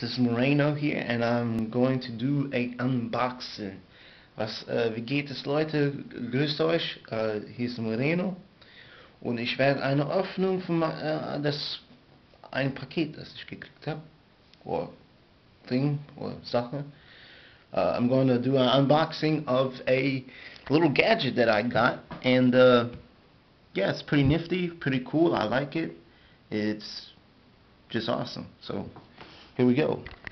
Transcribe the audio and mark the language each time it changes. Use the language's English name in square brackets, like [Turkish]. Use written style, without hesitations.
[English] This is Moreno here and I'm going to do a unboxing. [German] Was wie geht es Leute? Grüßt euch. Hier ist Moreno und ich werde eine Öffnung von das ein Paket, das ich gekriegt habe. [English] Or thing or Sache. I'm going to do an unboxing of a little gadget that I got and yeah, it's pretty nifty, pretty cool. I like it. It's just awesome. So, here we go.